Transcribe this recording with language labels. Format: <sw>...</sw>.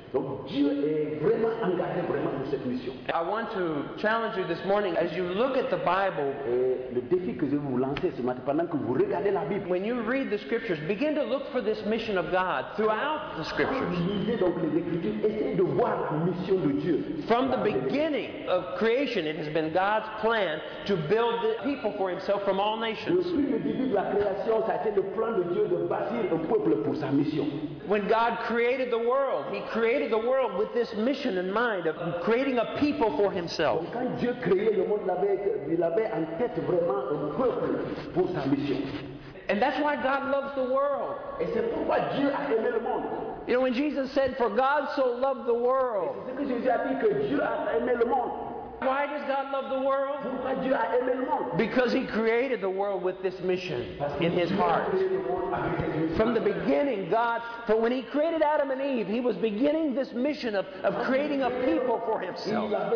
<fr>Donc, Dieu est vraiment engagé, vraiment, dans cette mission.</fr> <en>I want to challenge you this morning as you look at the Bible.</en> <fr>Le défi que je vais vous lancer ce matin, pendant que vous regardez la Bible.</fr> <en>When you read the scriptures, begin to look for this mission of God throughout the scriptures.</en> <fr>Quand vous lisez donc les écritures, essayez de voir la mission de Dieu.</fr> <en>From the beginning of creation, it has been God's plan to build the people for Himself from all nations.</en> <fr>Depuis le début de la création, ça a été le plan de Dieu de bâtir un peuple pour sa mission.</fr> <en>When God created the world, He created the world with this mission in mind of creating a people for Himself.</en> <fr>Quand Dieu créait le monde, il avait en tête vraiment un peuple pour sa mission.</fr> <en>And that's why God loves the world.</en> <fr>Et c'est pourquoi Dieu a aimé le monde.</fr> <en>You know, when Jesus said, for God so loved the world.</en> <fr>Et c'est ce que Jésus a dit, que Dieu a aimé le monde.</fr> <en>Why does God love the world? Because He created the world with this mission in His heart. From the beginning, God, for when He created Adam and Eve, He was beginning this mission of creating a people for Himself.</en>